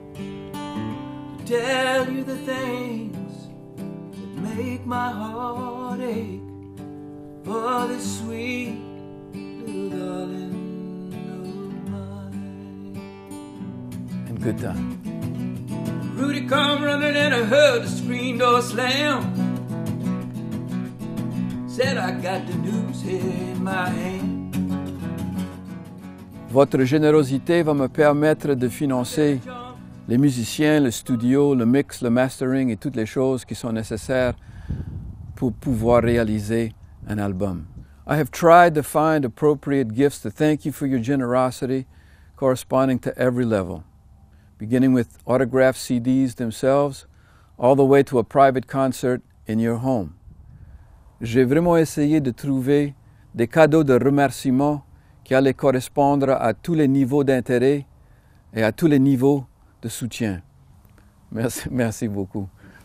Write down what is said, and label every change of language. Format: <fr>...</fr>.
<en>To tell you the things that make my heart ache for this sweet little darling of mine. And good time. Rudy come running and I heard the screen door slam. Said I got the news in my hand.</en> <fr>Votre générosité va me permettre de financer les musiciens, le studio, le mix, le mastering et toutes les choses qui sont nécessaires pour pouvoir réaliser un album.</fr> <en>I have tried to find appropriate gifts to thank you for your generosity corresponding to every level, beginning with autographed CDs themselves, all the way to a private concert in your home.</en> <fr>J'ai vraiment essayé de trouver des cadeaux de remerciement qui allaient correspondre à tous les niveaux d'intérêt et à tous les niveaux de soutien. Merci, merci beaucoup.</fr>